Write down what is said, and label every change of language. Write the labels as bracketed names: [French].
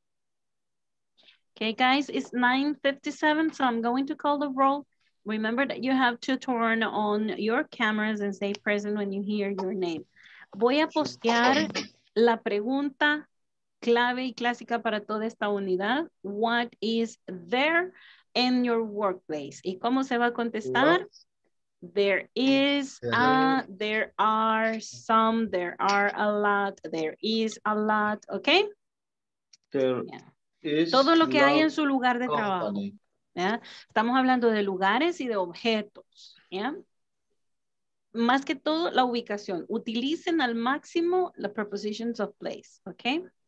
[English] Yeah. Okay, guys, it's 9:57, so I'm going to call the roll. Remember that you have to turn on your cameras and stay present when you hear your name. [Spanish] Voy a postear la pregunta clave y clásica para toda esta unidad. [English] What is there in your workplace? [Spanish] ¿Y cómo se va a contestar? [English] There is a, there are some, there are a lot, there is a lot, ¿ok? [Spanish] Todo lo que hay en su lugar de trabajo. ¿Ya? Estamos hablando de lugares y de objetos. ¿Ya? Más que todo, la ubicación. Utilicen al máximo [English] the prepositions of place. [Spanish] ¿Ok?